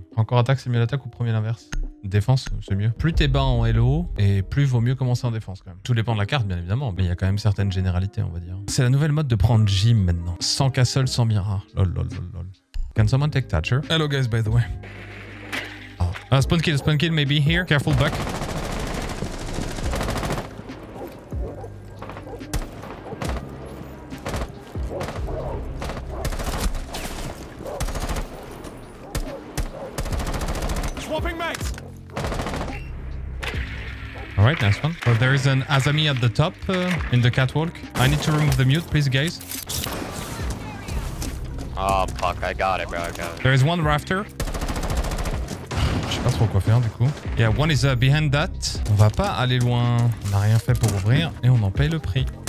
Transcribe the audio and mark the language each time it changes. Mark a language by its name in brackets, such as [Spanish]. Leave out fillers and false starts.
[French] Encore attaque, c'est mieux l'attaque ou premier l'inverse? Défense, c'est mieux. Plus t'es bas en LO, et plus vaut mieux commencer en défense quand même. Tout dépend de la carte, bien évidemment, mais il y a quand même certaines généralités, on va dire. C'est la nouvelle mode de prendre Jim maintenant. Sans castle, sans Mira. Lol, lol, lol, lol. [English] Can someone take Thatcher? Hello guys, by the way. Oh. Spawn kill, maybe here. Careful back. Alright, nice one. But there is an Azami at the top in the catwalk. I need to remove the mute, please, guys. Oh, fuck, I got it, bro. I got it. There is one rafter. [French] Je sais pas trop quoi faire, du coup. [English] Yeah, one is behind that. [French] On va pas aller loin. On n'a rien fait pour ouvrir et on en paye le prix.